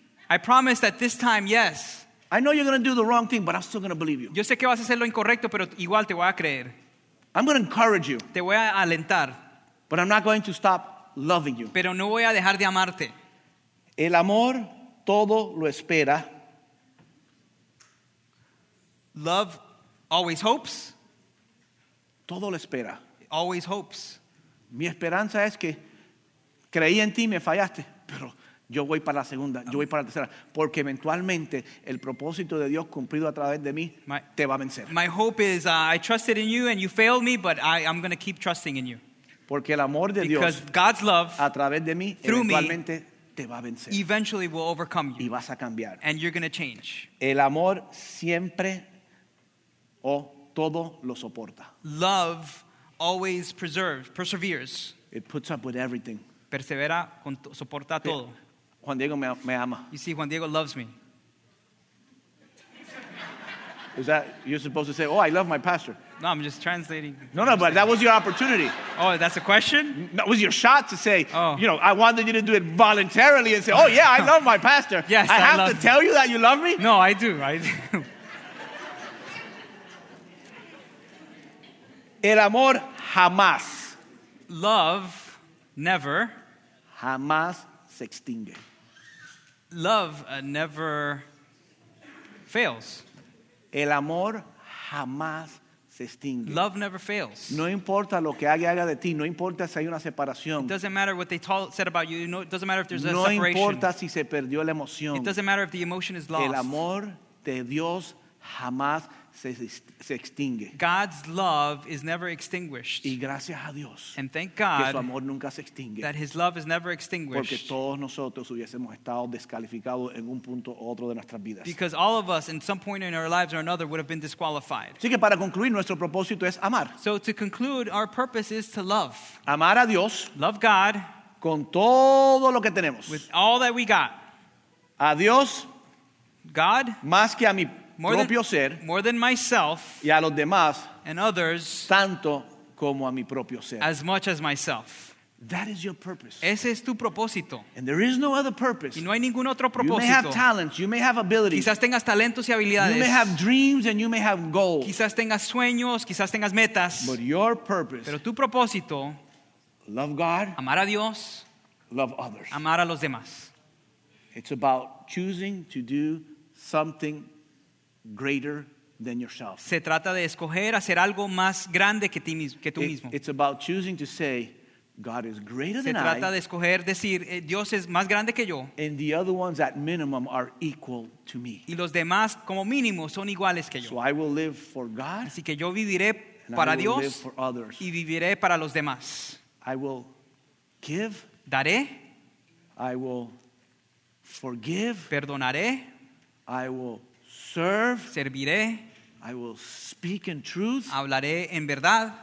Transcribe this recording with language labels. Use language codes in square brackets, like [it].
[en] I promise that this time, yes. I know you're going to do the wrong thing, but I'm still going to believe you. [es] Yo sé que vas a hacer lo incorrecto, pero igual te voy a creer. [en] I'm going to encourage you. [es] Te voy a alentar. [en] But I'm not going to stop loving you. [es] Pero no voy a dejar de amarte. El amor todo lo espera. [en] Love always hopes. [es] Todo lo espera. [en] It always hopes. [es] Mi esperanza es que creí en ti y me fallaste, pero yo voy para la segunda, yo voy para la tercera, porque eventualmente el propósito de Dios cumplido a través de mí te va a vencer. [en] My hope is I trusted in you and you failed me, but I'm going to keep trusting in you. [es] Porque el amor de [en] Because [es] Dios [en] God's love [es] a través de mí eventualmente te va a vencer. [en] Eventually will overcome you. [es] Y vas a cambiar. [en] And you're going to change. [es] El amor siempre o todo lo soporta. [en] Love always perseveres. It puts up with everything. [es] Persevera, soporta todo. Juan Diego me ama. [en] You see, Juan Diego loves me. Is that you're supposed to say, oh, I love my pastor? No, I'm just translating. No, no, but that was your opportunity. Oh, that's a question? That was your shot to say, oh. You know, I wanted you to do it voluntarily and say, oh, yeah, I love my pastor. Yes, I have I love to tell you that you love me? No, I do, I do. [es] El amor jamás. [en] Love never. [es] Jamás se extingue. [en] Love never fails. [es] El amor jamás se extingue. [en] Love never fails. [es] No importa lo que alguien haga de ti. No importa si hay una separación. [en] It doesn't matter what they said about you. It doesn't matter if there's a [es] no [en] separation. [es] No importa si se perdió la emoción. [en] It doesn't matter if the emotion is lost. [es] El amor de Dios jamás se extingue. [en] God's love is never extinguished. [es] Y gracias a Dios. [en] And thank God [es] que su amor nunca se extingue. [en] That his love is never extinguished. [es] Porque todos nosotros hubiésemos estado descalificados en un punto u otro de nuestras vidas. [en] Because all of us in some point in our lives or another would have been disqualified. [es] Así que para concluir, nuestro propósito es amar. [en] So to conclude, our purpose is to love. [es] Amar a Dios. [en] Love God. [es] Con todo lo que tenemos. [en] With all that we got. [es] A Dios. [en] God. [es] Más que a mi [en] More than myself [es] y a los demás, [en] and others [es] tanto como a mi propio ser. [en] As much as myself. That is your purpose. [es] Ese es tu propósito. [en] And there is no other purpose. [es] Y no hay ningún otro propósito. [en] You may have talents. You may have abilities. [es] Quizás tengas talentos y habilidades. [en] You may have dreams and you may have goals. [es] Quizás tengas sueños, quizás tengas metas. [en] But your purpose, [es] pero tu propósito, [en] love God, [es] amar a Dios, [en] love others, [es] amar a los demás. [en] It's about choosing to do something greater than yourself. [es] Se trata de escoger hacer algo más grande que ti mismo, que tú mismo. [en] It's about choosing to say God is greater than I. [es] Se trata de escoger decir Dios es más grande que yo. [en] And the other ones at minimum are equal to me. [es] Y los demás como mínimo son iguales que yo. [en] So I will live for God. [es] Así que yo viviré para Dios. [en] And I will live for others. [es] Y viviré para los demás. [en] I will give. [es] Daré. [en] I will forgive. [es] Perdonaré. [en] I will serve. [es] Serviré. [en] I will speak in truth. [es] Hablaré en verdad.